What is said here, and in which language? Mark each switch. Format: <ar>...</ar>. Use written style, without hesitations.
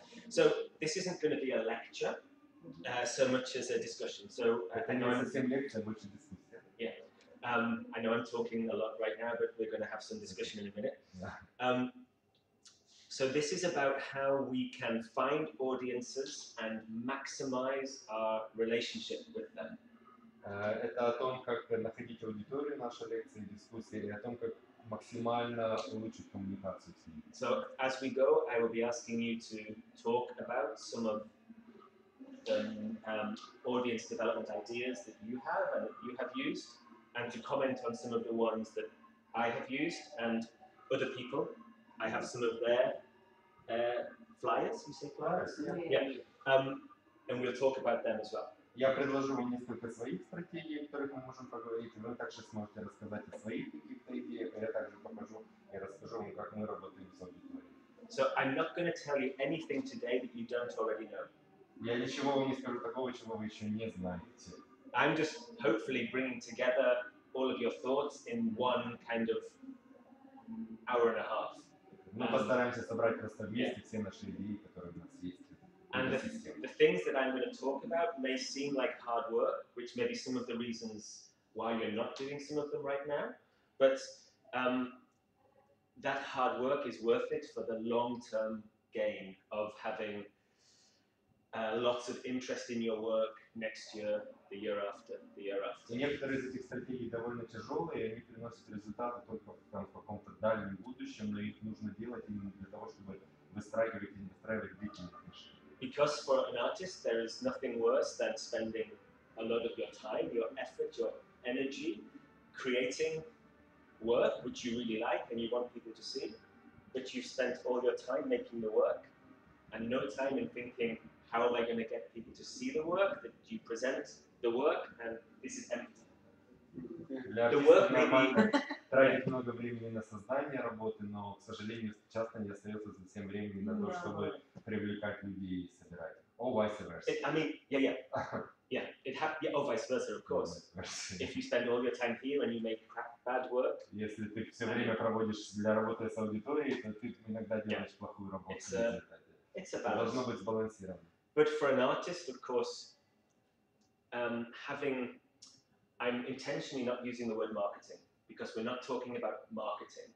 <en>So this isn't going to be a lecture, so much as a discussion. So I know I'm talking a lot right now, but we're going to have some discussion in a minute. So this is about how we can find audiences and maximize our relationship with them.</en> <ru>Это о том, как находить аудиторию, наша лекция, дискуссия, и о том, как максимально улучшить коммуникацию с ними.</ru> <en>So as we go, I will be asking you to talk about some of the audience development ideas that you have and that you have used, and to comment on some of the ones that I have used and other people. I have some of their flyers. You say flyers? Yeah. And we'll talk about them as well.</en> <ru>Я предложу вам несколько своих стратегий, о которых мы можем поговорить. Вы также сможете рассказать о своих каких-то идеях. Я также покажу и расскажу вам, как мы работаем с аудиторией.</ru> <en>So I'm not going to tell you anything today that you don't already know.</en> <ru>Я ничего вам не скажу такого, чего вы еще не знаете.</ru> <en>I'm just hopefully bringing together all of your thoughts in one kind of hour and a half.</en> <ru>Мы постараемся собрать просто вместе все наши идеи, которые у нас есть.</ru> <en>And the things that I'm going to talk about may seem like hard work, which may be some of the reasons why you're not doing some of them right now, but that hard work is worth it for the long-term gain of having lots of interest in your work next year, the year after, the year after.</en> <ru>Некоторые из этих стратегий довольно тяжелые, они приносят результаты только там, в каком-то дальнем будущем, но их нужно делать именно для того, чтобы выстраивать и не выстраивать длительные отношения.</ru> <en>Because for an artist, there is nothing worse than spending a lot of your time, your effort, your energy creating work which you really like and you want people to see, but you've spent all your time making the work and no time in thinking, how am I going to get people to see the work, that you present the work and this is empty. The work may be...</en> <ru>Тратить много времени на создание работы, но, к сожалению, часто не остается совсем времени на то, чтобы привлекать людей и собирать их.</ru> <en>Or vice versa. It, I mean, yeah, yeah. Yeah, it happens. Yeah, or vice versa, of course. If you spend all your time here and you make bad work.</en> <ru>Если ты все время проводишь для работы с аудиторией, то ты иногда делаешь плохую работу.</ru> <en>It's a balance.</en> <ru>Должно быть сбалансировано.</ru> <en>But for an artist, of course, having... I'm intentionally not using the word marketing because we're not talking about marketing.</en>